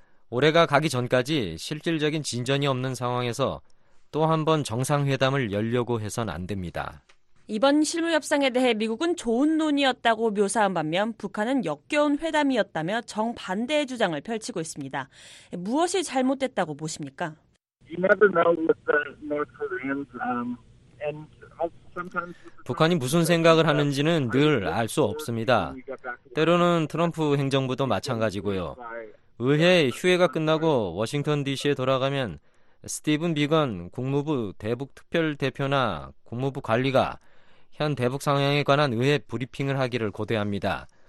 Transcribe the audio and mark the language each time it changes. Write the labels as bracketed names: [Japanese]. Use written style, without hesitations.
[Korean] 올해가 가기 전까지 실질적인 진전이 없는 상황에서 또 한 번 정상회담을 열려고 해선 안 됩니다. 이번 실무협상에 대해 미국은 좋은 논의였다고 묘사한 반면 북한은 역겨운 회담이었다며 정반대의 주장을 펼치고 있습니다. 무엇이 잘못됐다고 보십니까? [English] You never know with the North Koreans, and [Korean] 북한이 무슨 생각을 하는지는 늘 알 수 없습니다. 때로는 트럼프 행정부도 마찬가지고요. 의회 휴회가 끝나고 워싱턴 DC에 돌아가면 스티븐 비건 국무부 대북특별대표나 국무부 관리가 현 대북 상황에 관한 의회 브리핑을 하기를 고대합니다.